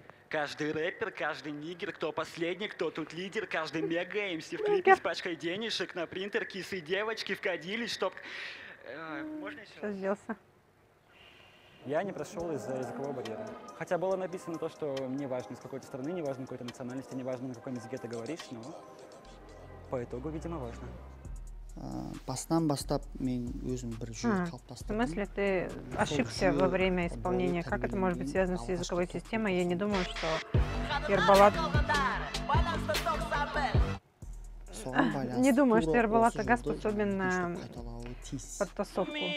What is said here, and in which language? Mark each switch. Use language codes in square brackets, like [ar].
[ru] Каждый рэпер, каждый нигер, кто последний, кто тут лидер, каждый мега МС в клипе с пачкой денежек на принтер, кисы девочки в кадиле, чтоб... Можно еще? Что сделался? Я не прошел из-за языкового барьера. Хотя было написано то, что мне важно, из какой-то страны, не важно, какой-то национальности, не важно, на каком языке ты говоришь, но по итогу, видимо, важно. [kk] Бастан бастап мен өзім бір жүйе қалыптастырдым. [ru] В смысле, ты ошибся во время исполнения? Как это может быть связано с языковой системой? Я не думаю, что Ербалат... Не думаю, что Ербалат Ага способен подтасовку.